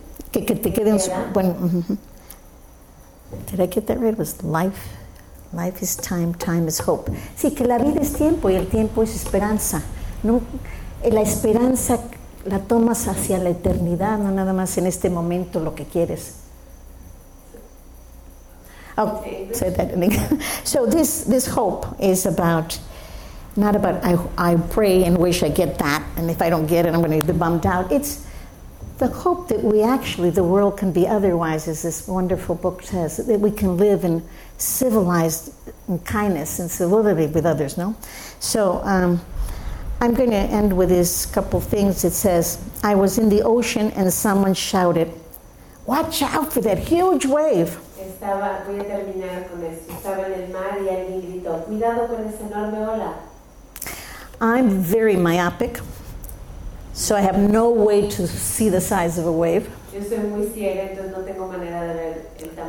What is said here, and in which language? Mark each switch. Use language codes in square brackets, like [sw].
[es] Que te quede un solo, [en] did I get that right? It was life is time, time is hope. [es] Sí, que la vida es tiempo y el tiempo es esperanza. No, la esperanza la tomas hacia la eternidad, no nada más en este momento lo que quieres. [en] Oh, say that in English. So this hope is about, not about I pray and wish I get that, and if I don't get it, I'm going to be bummed out. It's the hope that we actually, the world can be otherwise, as this wonderful book says, that we can live in civilized in kindness and civility with others, no? So, I'm going to end with this couple things. It says, I was in the ocean and someone shouted, watch out for that huge wave. [es] Estaba, voy a terminar con esto. Estaba en el mar y alguien gritó, cuidado con esa enorme ola. [en] I'm very myopic, so I have no way to see the size of a wave. [es] Yo soy muy ciega, entonces no tengo manera de ver el tamaño.